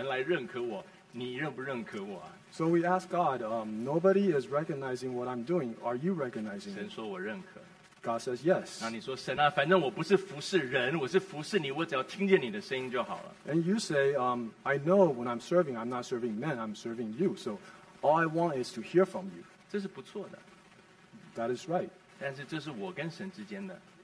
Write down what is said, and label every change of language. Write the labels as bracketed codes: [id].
[zh] 我们就说，主啊，没有人来鼓励我，没有人来认可我，你认不认可我啊？ [en] So we ask God, nobody is recognizing what I'm doing. Are you recognizing? [zh] 神说我认可。 [en] God says yes. [zh] 那你说，神啊，反正我不是服侍人，我是服侍你，我只要听见你的声音就好了。 [en] And you say, I know when I'm serving, I'm not serving men, I'm serving you. So all I want is to hear from you. [zh] 这是不错的。 [en] That is right. [zh] 但是这是我跟神之间的。